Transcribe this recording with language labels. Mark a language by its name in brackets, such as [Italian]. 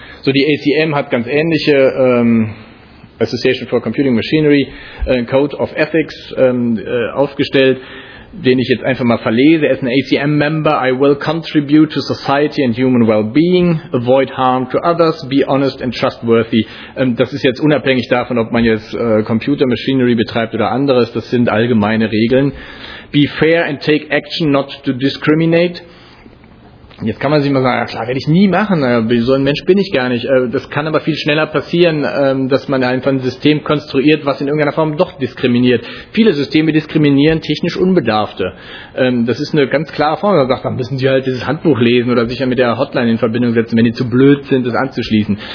[German] So, die ACM hat ganz ähnliche Association for Computing Machinery, Code of Ethics aufgestellt. den ich jetzt einfach mal verlese. [English] As an ACM-Member, I will contribute to society and human well-being, avoid harm to others, be honest and trustworthy. [German] Das ist jetzt unabhängig davon, ob man jetzt Computer Machinery betreibt oder anderes, das sind allgemeine Regeln. [English] Be fair and take action not to discriminate. [German] Jetzt kann man sich mal sagen, ja klar, werde ich nie machen, so ein Mensch bin ich gar nicht. Das kann aber viel schneller passieren, dass man einfach ein System konstruiert, was in irgendeiner Form doch diskriminiert. Viele Systeme diskriminieren technisch Unbedarfte. Das ist eine ganz klare Form. Man sagt, dann müssen sie halt dieses Handbuch lesen oder sich ja mit der Hotline in Verbindung setzen, wenn die zu blöd sind, das anzuschließen.